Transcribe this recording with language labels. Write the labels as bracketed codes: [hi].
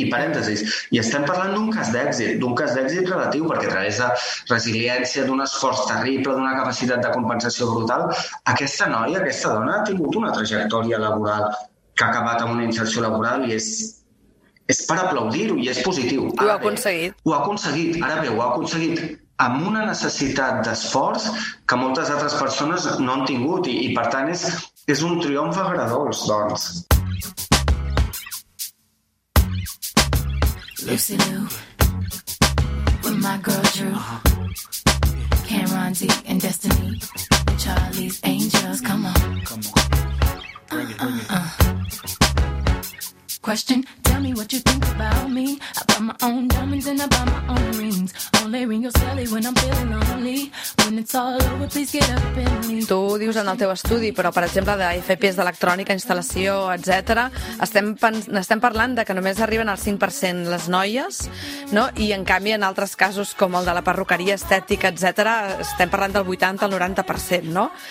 [ca] I parèntesis, i estem parlant d'un cas d'èxit relatiu, perquè a través de resiliència, d'un esforç terrible, d'una capacitat de compensació brutal, aquesta noia, aquesta dona, ha tingut una trajectòria laboral que ha acabat amb una inserció laboral i és per aplaudir-ho i és positiu. Ho ha aconseguit. Ho ha aconseguit, ara bé, ho ha aconseguit amb una necessitat d'esforç que moltes altres persones no han tingut i per tant, és un triomf agradós, doncs. [en] Lucy Liu, with my girl Drew, Cameron D and Destiny, Charlie's Angels, come on. Question, tell me what you think about me. I buy my own diamonds and I buy my own rings. Only ring your celly when I'm feeling lonely. When it's all over, please get up and leave. [ca] Tu ho dius en el teu estudi, però per exemple de FPs d'electrònica, instal·lació, etc. Estem parlant de que només arriben al 5% les noies, no? I en canvi en altres casos com el de la perruqueria estètica, etc., estem parlant del 80-90%, no?